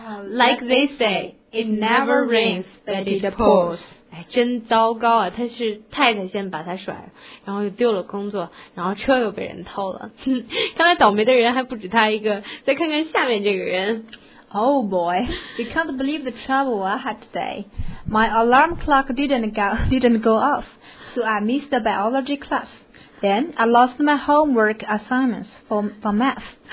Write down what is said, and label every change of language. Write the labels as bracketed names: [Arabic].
[English] Like they say, it never rains, but it pours. [Chinese] 哎，真糟糕啊！他是太太先把他甩，然后又丢了工作，然后车又被人偷了。看来倒霉的人还不止他一个。再看看下面这个人。 [English] Oh boy, you can't believe the trouble I had today. My alarm clock didn't go off, so I missed the biology class. Then I lost my homework assignments for math.